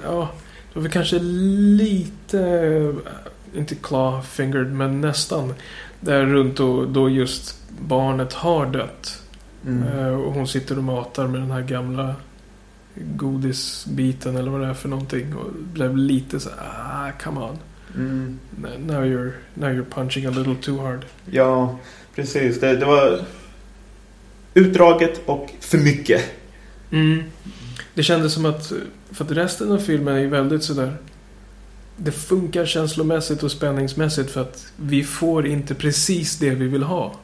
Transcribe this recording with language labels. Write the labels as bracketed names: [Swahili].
[Swedish] Ja, vi kanske lite, inte claw-fingered, men nästan där runt då just barnet har dött. Mm. Och hon sitter och matar med den här gamla godisbiten eller vad det är för någonting. Och blev lite så [English] come on. Mm. Now you're punching a little too hard. [Swedish] Ja, precis. Det var utdraget och för mycket. Mm. Det kändes som att, för att resten av filmen är ju väldigt sådär, det funkar känslomässigt och spänningsmässigt för att vi får inte precis det vi vill ha.